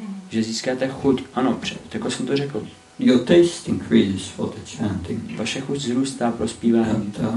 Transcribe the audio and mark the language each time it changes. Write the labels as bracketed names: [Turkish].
[Czech] Že získáte chuť, ano, tak jsem to řekl. [English] Your taste increases for the chanting. [Czech] Vaše chuť zrůstá pro zpívání.